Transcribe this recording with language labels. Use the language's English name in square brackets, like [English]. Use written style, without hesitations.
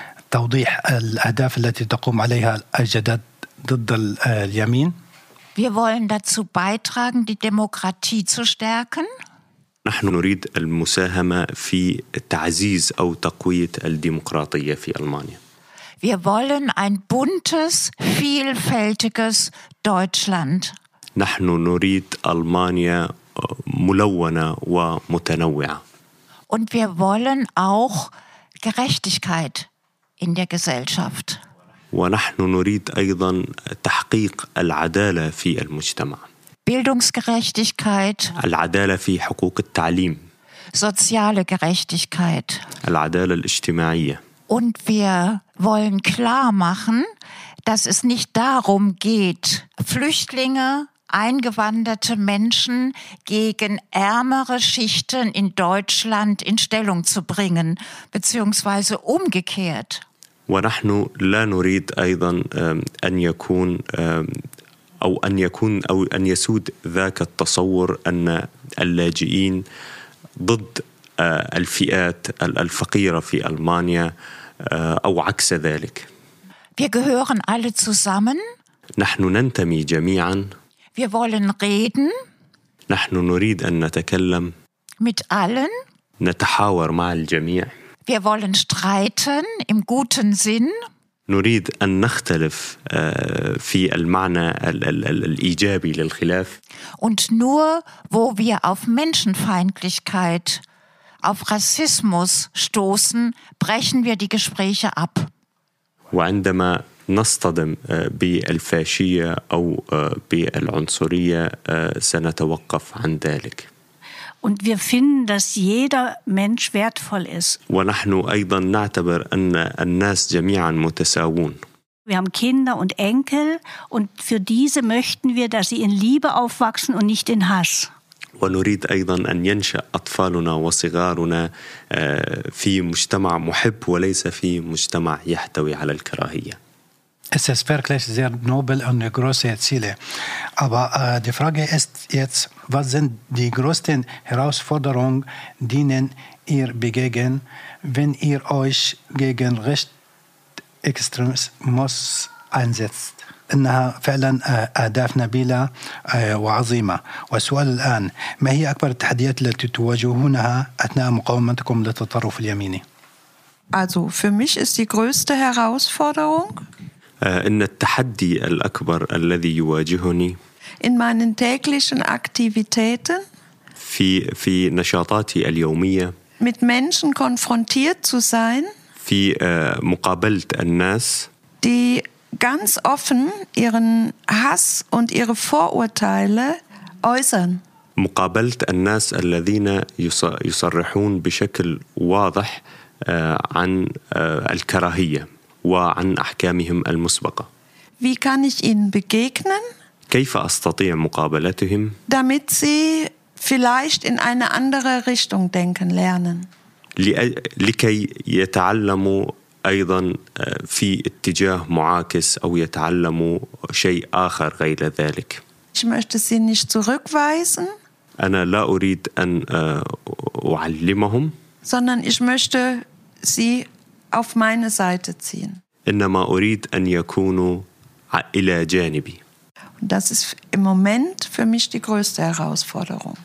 [Arabic] توضيح الأهداف التي تقوم عليها الجداد ضد اليمين. [German] Wir wollen dazu beitragen, die Demokratie zu stärken. [Arabic] نحن نريد المساهمة في تعزيز أو تقوية الديمقراطية في ألمانيا. [German] Wir wollen ein buntes, vielfältiges Deutschland. [Arabic] نحن نريد ألمانيا ملونة ومتنوعة. [German] Und wir wollen auch Gerechtigkeit in der Gesellschaft. [Arabic] ونحن نريد أيضا تحقيق العدالة في المجتمع. [German] Bildungsgerechtigkeit. [Arabic] العدالة في حقوق التعليم. [German] Soziale Gerechtigkeit. [Arabic] العدالة الاجتماعية. [German] Und wir wollen klar machen, dass es nicht darum geht, Flüchtlinge, eingewanderte Menschen gegen ärmere Schichten in Deutschland in Stellung zu bringen, beziehungsweise umgekehrt. [Arabic] ونحن لا نريد أيضا أن يكون أو أن يكون أو أن يسود ذاك التصور أن اللاجئين ضد الفئات الفقيرة في ألمانيا أو عكس ذلك. [German] Wir gehören alle zusammen. [Arabic] نحن ننتمي جميعا. [German] Wir wollen reden. [Arabic] نحن نريد أن نتكلم. [German] Mit allen. [Arabic] نتحاور مع الجميع. [German] Wir wollen streiten im guten Sinn. [Arabic] نريد أن نختلف في المعنى الإيجابي للخلاف. [German] Und nur wo wir auf Menschenfeindlichkeit, auf Rassismus stoßen, brechen wir die Gespräche ab. [Arabic] وعندما نصطدم بالفاشية أو بالعنصرية سنتوقف عن ذلك. [German] Und wir finden, dass jeder Mensch wertvoll ist. [Arabic] ونحن أيضا نعتبر أن الناس جميعا متساوون. [German] Wir haben Kinder und Enkel und für diese möchten wir, dass sie in Liebe aufwachsen und nicht in Hass. [Arabic] ونريد أيضا أن ينشأ أطفالنا وصغارنا في مجتمع محب وليس في مجتمع يحتوي على الكراهية. [German] Es ist wirklich sehr nobel und große Ziele. Aber die Frage ist jetzt, was sind die größten Herausforderungen, denen ihr begegnet, wenn ihr euch gegen Rechtsextremismus einsetzt? [Arabic] إنها فعلا أهداف نبيلة وعظيمة. والسؤال الآن، ما هي أكبر التحديات التي تواجهونها أثناء مقاومتكم للتطرف اليميني؟ [German] Also für mich ist die größte Herausforderung [Arabic] إن التحدي الأكبر الذي يواجهني [German] in meinen täglichen Aktivitäten [Arabic] في نشاطاتي اليومية [German] mit Menschen konfrontiert zu sein [Arabic] في مقابلة الناس [German] die ganz offen ihren Hass und ihre Vorurteile äußern. [Arabic] مقابلة الناس الذين يصرحون بشكل واضح عن الكراهية وعن أحكامهم المسبقة. [German] Wie kann ich ihnen begegnen? [Arabic] كيف أستطيع مقابلتهم? [German] Damit sie vielleicht in eine andere Richtung denken lernen. [Arabic] لكي يتعلموا أيضا في اتجاه معاكس أو يتعلموا شيء آخر غير ذلك. [German] Ich möchte sie nicht zurückweisen. [Arabic] أنا لا أريد أن أعلمهم. [German] Sondern ich möchte sie auf meine Seite ziehen. [Arabic] إنما أريد أن يكونوا إلى جانبي. [German] Und das ist im Moment für mich die größte Herausforderung.